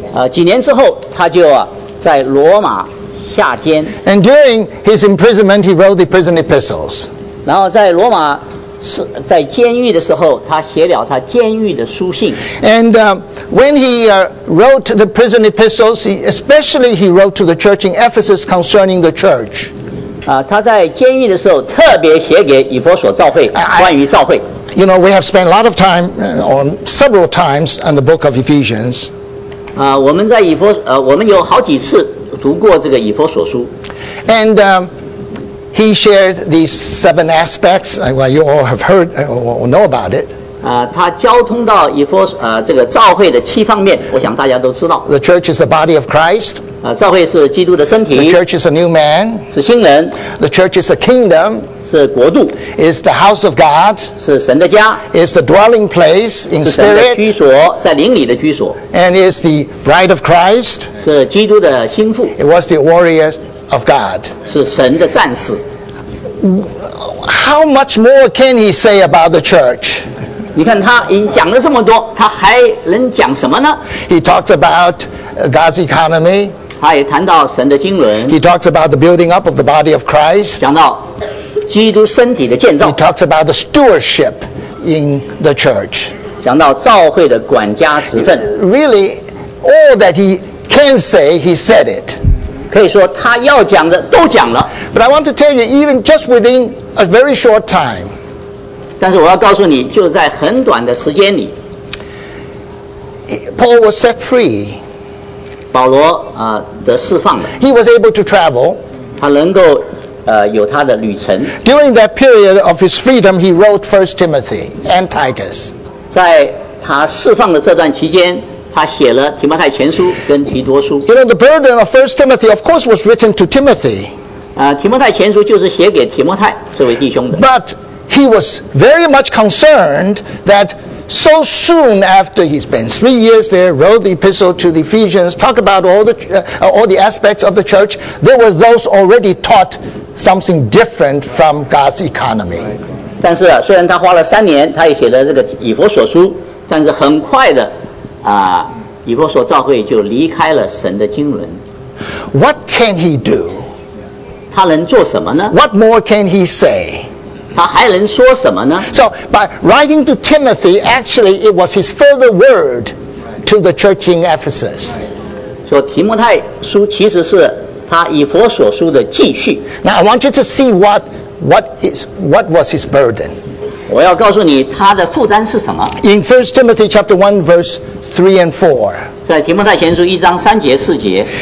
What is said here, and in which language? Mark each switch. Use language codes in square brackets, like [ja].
[zh] 几年之后，他就在罗马下监。 [en] And during his imprisonment, he wrote the prison epistles. [zh] 然后在罗马在监狱的时候，他写了他监狱的书信。 [en] And when he wrote the prison epistles, he wrote to the church in Ephesus concerning the church. [zh] 他在监狱的时候特别写给以弗所教会关于教会。 [en] You know, we have spent a lot of time, or several times, on the book of Ephesians. [zh] 我们有好几次读过这个以弗所书。 [en] And He shared these seven aspects. Well, you all have heard or know about it. [zh] 他交通到以弗这个教会的七方面，我想大家都知道。 [en] The church is the body of Christ. [zh] 教会是基督的身体。 [en] The church is a new man. [zh] 是新人。 [en] The church is a kingdom. [zh] 是国度。 [en] Is the house of God. [zh] 是神的家。 [en] Is the dwelling place in spirit. [zh] 是神的居所，在灵里的居所。 [en] And is the bride of Christ. [zh] 是基督的心腹。 [en] It was the warrior of God. [zh] 是神的战士。 [en] How much more can he say about the church? [zh] 你看他已经讲了这么多，他还能讲什么呢？ [en] He talks about God's economy. [zh] 他也谈到神的经纶。 [en] He talks about the building up of the body of Christ. [zh] 讲到基督身体的建造。 [en] He talks about the stewardship in the church. [zh] 讲到教会的管家职分。 [en] Really, all that he can say, he said it. [zh] 可以说他要讲的都讲了。 [en] But I want to tell you, even just within a very short time, [zh] 但是我要告诉你，就在很短的时间里 [en] ，Paul was set free. [zh] 保罗啊的释放了。 [en] He was able to travel. [zh] 他能够有他的旅程。 [en] During that period of his freedom, he wrote 1 Timothy and Titus. [zh] 在他释放的这段期间，他写了提摩太前书跟提多书。 [en] You know the burden of 1 Timothy, of course, was written to Timothy. [zh] 啊，提摩太前书就是写给提摩太这位弟兄的。 [en] But He was very much concerned that so soon after he spent 3 years there, wrote the epistle to the Ephesians, talked about all the aspects of the church, there were those already taught something different from God's economy. [zh] 但是虽然他花了三年，他也写了这个以弗所书，但是很快的以弗所教会就离开了神的经纶。 [en] What can he do? [zh] 他能做什么呢？ [en] What more can he say? [zh] 他还能说什么呢？ [en] So by writing to Timothy, actually it was his further word to the church in Ephesus. [zh] 所以提摩太书其实是他以弗所书的继续。 [en] Now I want you to see what was his burden. [zh] 我要告诉你他的负担是什么。 [en] In 1 Timothy chapter 1 verse 3 and 4. [zh] 在提摩太前书一章三节四节。